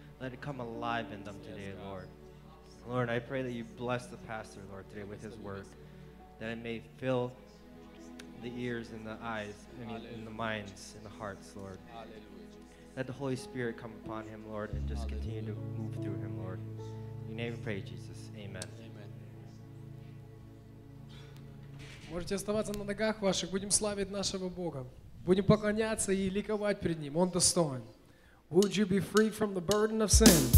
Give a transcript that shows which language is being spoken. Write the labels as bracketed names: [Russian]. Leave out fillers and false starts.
[English] Let it come alive in them today, Lord. Lord, I pray that you bless the pastor, Lord, today with his word, that it may fill the ears and the eyes and in the minds and the hearts, Lord. Let the Holy Spirit come upon him, Lord, and just continue to move through him, Lord. In your name we pray, Jesus. Amen. [Russian] Можете оставаться на ногах ваших. Будем славить нашего Бога. Будем поклоняться и ликовать перед Ним. Он достоин. [English] Would you be free from the burden of sin?